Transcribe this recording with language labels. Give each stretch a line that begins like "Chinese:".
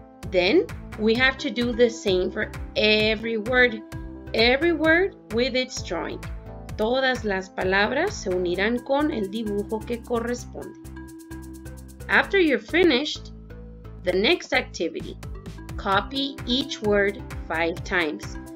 English: Then, we have to do the same for every word. Every word with its drawing.
Spanish: Todas las palabras se unirán con el dibujo que corresponde.
English: After you're finished, the next activity, copy each word 5 times.